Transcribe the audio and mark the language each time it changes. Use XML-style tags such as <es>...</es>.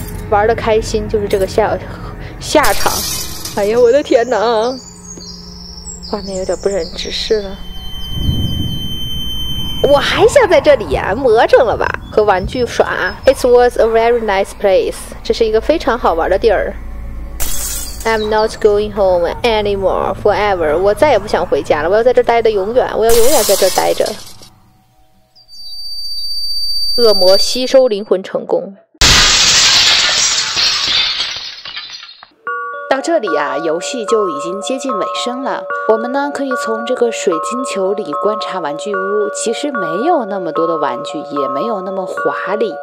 <zh>玩的开心就是这个下场。哎呀，我的天哪！画面有点不忍直视了。我还想在这里呀、啊，魔怔了吧？和玩具耍。</zh> <en>It was a very nice place。</en> <zh>这是一个非常好玩的地儿。</zh> <en>I'm not going home anymore, forever.</en> <zh>我再也不想回家了，我要在这待的永远，我要永远在这待着。恶魔吸收灵魂成功。到这里啊，游戏就已经接近尾声了。我们呢，可以从这个水晶球里观察玩具屋，其实没有那么多的玩具，也没有那么华丽。</zh>